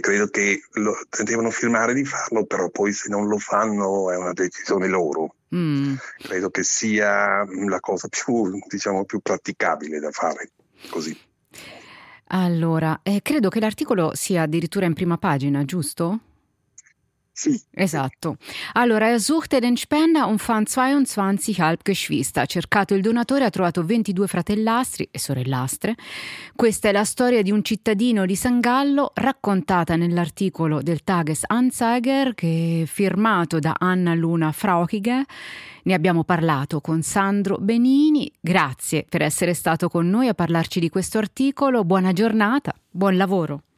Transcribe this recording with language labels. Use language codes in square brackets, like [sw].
[it] Credo che devono firmare di farlo, però poi se non lo fanno è una decisione loro. Credo che sia la cosa più, diciamo, più praticabile da fare così. Allora, credo che l'articolo sia addirittura in prima pagina, giusto? Sì. Esatto. [de] Allora, suchte den Spender und fand 22 Halbgeschwister. [it] Ha cercato il donatore, ha trovato 22 fratellastri e sorellastre. Questa è la storia di un cittadino di San Gallo, raccontata nell'articolo del Tages-Anzeiger, che è firmato da Anna Luna Frauchige. Ne abbiamo parlato con Sandro Benini. Grazie per essere stato con noi a parlarci di questo articolo. Buona giornata, buon lavoro.